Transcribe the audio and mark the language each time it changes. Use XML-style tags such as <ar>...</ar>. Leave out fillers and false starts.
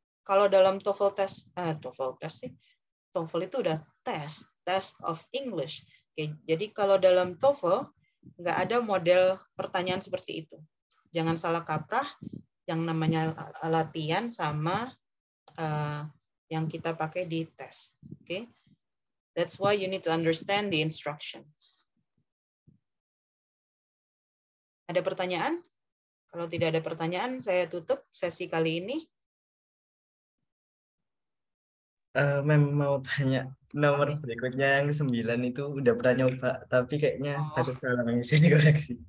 <id>Kalau dalam TOEFL itu udah test of English. Oke, jadi kalau dalam TOEFL, nggak ada model pertanyaan seperti itu. Jangan salah kaprah, yang namanya latihan sama yang kita pakai di tes. Oke?</id> <en>That's why you need to understand the instructions.</en> <id>Ada pertanyaan? Kalau tidak ada pertanyaan, saya tutup sesi kali ini. Mem, mau tanya nomor berikutnya yang 9 itu udah pernah nyoba, tapi kayaknya takut salah mengisi koreksi.</id>